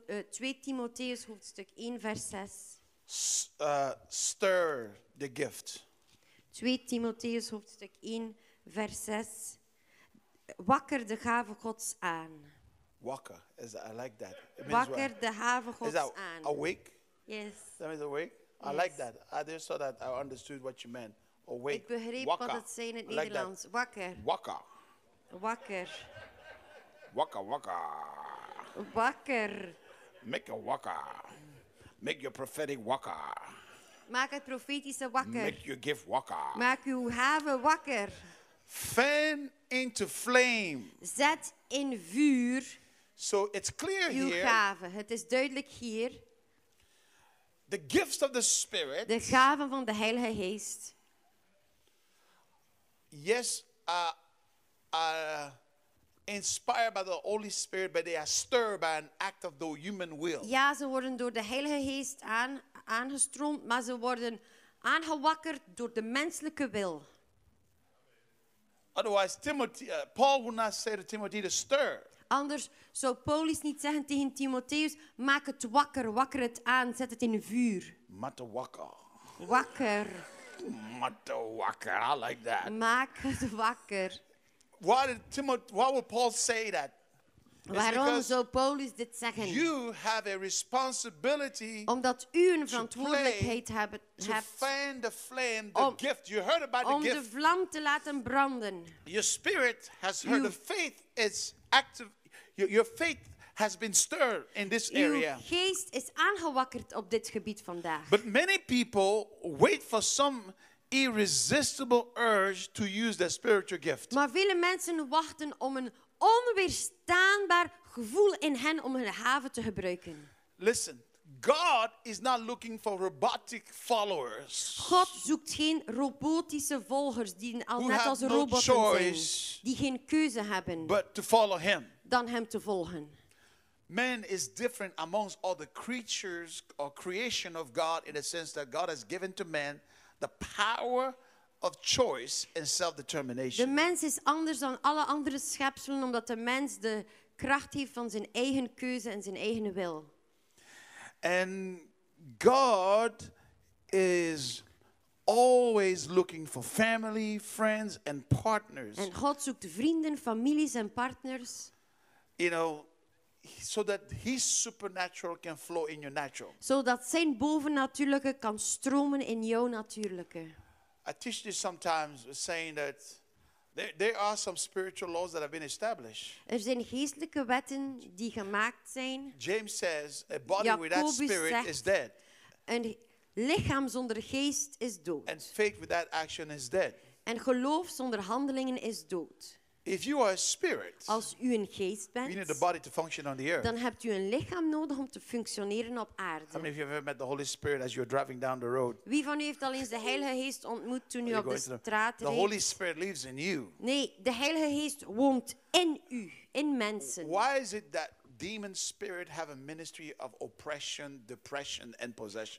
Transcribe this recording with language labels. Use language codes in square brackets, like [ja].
[nl] 2 Timotheus hoofdstuk 1 vers 6 [en] stir the gift. [nl] 2 Timotheus hoofdstuk 1 vers 6 wakker de gave Gods aan. [en] Wakker, I like that. [nl] Wakker de haven Gods aan. [en] Awake? Yes. That means awake? Yes. I like that. I just saw that I understood what you meant. Awake. [nl] Ik begreep Waka. Wat het zei in het Nederlands. [en] Like [nl] wakker. Wakker. Wakker. Wakker, wakker. Wakker. [en] Make a wakker. Make your prophetic wakker. [nl] Maak het profetische wakker. [en] Make your gift wakker. [nl] Maak uw haven wakker. [en] Fan into flame. [nl] Zet in vuur. [en] So it's clear [nl] uw [en] here. [nl] Gave. Het is duidelijk hier. [en] The gifts of the Spirit. [nl] De gaven van de Heilige Geest. [en] Yes, are inspired by the Holy Spirit, but they are stirred by an act of the human will. [nl] Ja, ze worden door de Heilige Geest aangestroomd, maar ze worden aangewakkerd door de menselijke wil. [en] Otherwise, Paul would not say to Timothy to stir. [nl] Anders zou Paulus niet zeggen tegen Timotheus, maak het wakker, wakker het aan, zet het in vuur. Mata wakker. Wakker. Mata wakker, [en] I like that. [nl] Maak het wakker. [en] Why would Paul say that? [nl] Waarom zou Paulus dit zeggen? [en] You have a responsibility. [nl] Omdat u een verantwoordelijkheid hebt. [en] To fan the flame, the gift. You heard about the gift. [nl] Om de vlam te laten branden. [en] Your spirit has heard of faith. It's active. Your faith has been stirred in this area. [nl] Uw geest is aangewakkerd op dit gebied vandaag. [en] But many people wait for some irresistible urge to use their spiritual gift. [nl] Maar vele mensen wachten om een onweerstaanbaar gevoel in hen om hun haven te gebruiken. [en] Listen, God is not looking for robotic followers. [nl] God zoekt geen robotische volgers die al net als robots zijn, die geen keuze hebben. [en] But to follow him. [nl] Dan hem te volgen. [en] Man is different amongst all the creatures or creation of God in the sense that God has given to man the power of choice and self-determination. [nl] De mens is anders dan alle andere schepselen omdat de mens de kracht heeft van zijn eigen keuze en zijn eigen wil. [en] And God is always looking for family, friends and partners. [nl] En God zoekt vrienden, families en partners. [en] You know, so that his supernatural can flow in your natural. [nl] Zodat zijn bovennatuurlijke kan stromen in jouw natuurlijke. [en] I teach this sometimes saying that there are some spiritual laws that have been established. [nl] Er zijn geestelijke wetten die gemaakt zijn. [en] James says a body without spirit is dead. [nl] Een lichaam zonder geest is dood. [en] And faith without action is dead. [nl] En geloof zonder handelingen is dood. [en] If you are a spirit, [nl] als u een geest bent, [en] you need a body to function on the earth. [nl] Dan hebt u een lichaam nodig om te functioneren op aarde. [en] How many of you have ever met the Holy Spirit as you're driving down the road? [nl] Wie van u heeft al eens de Heilige Geest ontmoet toen u op de straat reed? [en] The Holy Spirit lives in you. [nl] Nee, de Heilige Geest woont in u, in mensen. [en] Why is it that demon spirit have a ministry of oppression, depression and possession?